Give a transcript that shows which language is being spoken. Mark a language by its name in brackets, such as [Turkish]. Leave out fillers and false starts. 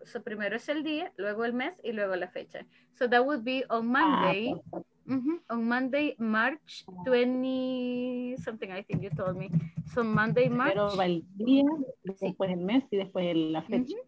[Spanish] So, primero es el día, luego el mes y luego la fecha. [English] So, that would be on Monday, on Monday, March 20 something, I think you told me. So, Monday, March. [Spanish] Primero va el día, después el mes y después la fecha.